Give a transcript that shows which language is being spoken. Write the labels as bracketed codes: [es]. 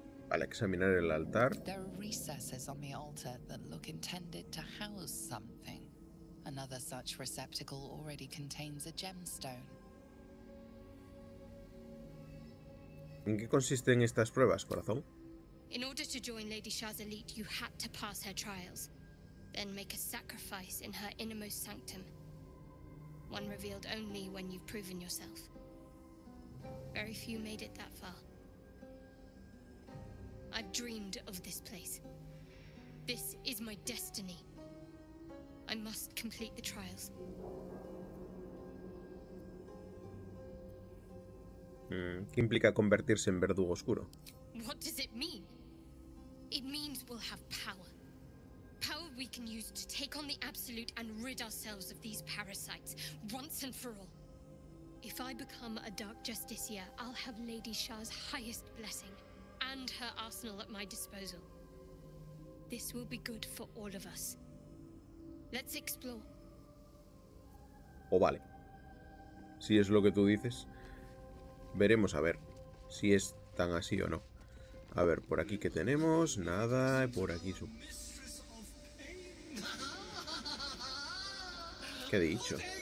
[es] Al examinar el altar. [en] There are recesses on the altar that look intended to house something. Another such receptacle already contains a gemstone. [es] ¿En qué consisten estas pruebas, corazón? [en] In order to join Lady Shah's elite, you had to pass her trials. Then make a sacrifice in her innermost sanctum. One revealed only when you've proven yourself. Very few made it that far. I've dreamed of this place. This is my destiny. I must complete the trials. [es] ¿Qué implica convertirse en verdugo oscuro? [en] What does it mean? It means we'll have power. Power we can use to take on the Absolute and rid ourselves of these parasites, once and for all. If I become a Dark Justicia, I'll have Lady Shah's highest blessing, and her arsenal at my disposal. This will be good for all of us. Let's explore. [es] Oh, vale. Si es lo que tú dices, veremos a ver si es tan así o no. A ver, por aquí que tenemos, nada, por aquí su... ¿Qué he dicho?